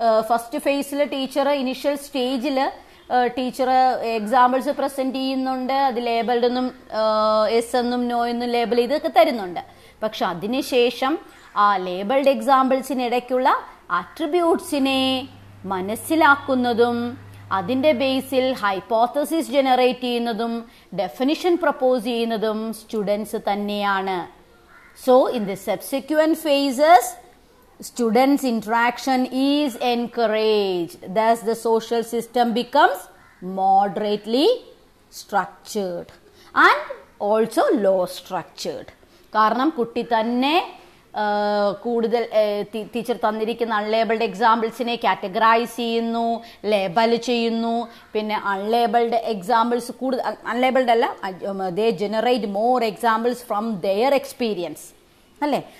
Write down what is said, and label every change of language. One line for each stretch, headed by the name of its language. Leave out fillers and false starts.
Malayalam: First ഫേസിൽ teacher initial സ്റ്റേജിൽ teacher examples present ചെയ്യുന്നുണ്ട്, അത് ലേബിൾഡ് എന്നും എസ് എന്നും നോ എന്നും ലേബിൾ ചെയ്തൊക്കെ തരുന്നുണ്ട്. പക്ഷെ അതിനുശേഷം ആ ലേബിൾഡ് എക്സാമ്പിൾസിനിടയ്ക്കുള്ള അട്രിബ്യൂട്ട്സിനെ മനസ്സിലാക്കുന്നതും അതിൻ്റെ ബേസിൽ ഹൈപ്പോത്തസിസ് ജനറേറ്റ് ചെയ്യുന്നതും ഡെഫിനിഷൻ പ്രപ്പോസ് ചെയ്യുന്നതും സ്റ്റുഡൻസ് തന്നെയാണ്.
English: So in the subsequent phases, students' interaction is encouraged. Thus the social system becomes moderately structured and also low structured.
Malayalam: കാരണം കുട്ടി തന്നെ കൂടുതൽ ടീച്ചർ തന്നിരിക്കുന്ന അൺലേബിൾഡ് എക്സാമ്പിൾസിനെ കാറ്റഗറൈസ് ചെയ്യുന്നു, ലേബൽ ചെയ്യുന്നു. പിന്നെ അൺലേബിൾഡ് എക്സാമ്പിൾസ് കൂടുതൽ അൺലേബിൾഡ് അല്ല,
English: they generate more examples from their experience
Malayalam: അല്ലേ.